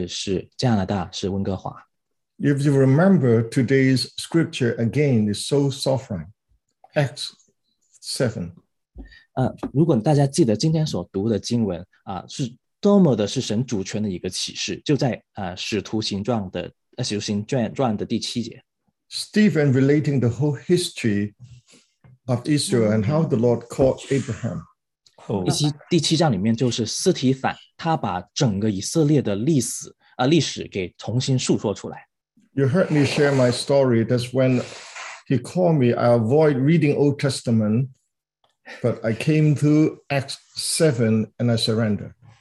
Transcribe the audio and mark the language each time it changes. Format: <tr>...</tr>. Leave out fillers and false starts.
<zh>我们彼此相交的地方名字是加拿大，是温哥华。</zh> <en>If you remember today's scripture again, it's so sovereign. Acts 7.</en> <zh>如果大家记得今天所读的经文, 是多么的是神主权的一个启示, 就在, 使徒行传的, 使徒行传的第七节。</zh> <en>Stephen relating the whole history of Israel and how the Lord called Abraham.</en> <zh>第七章里面就是斯提凡, 他把整个以色列的历史, 历史给重新述说出来。</zh> <en>You heard me share my story. That's when he called me. I avoid reading Old Testament, but I came to Acts 7 and I surrender.</en>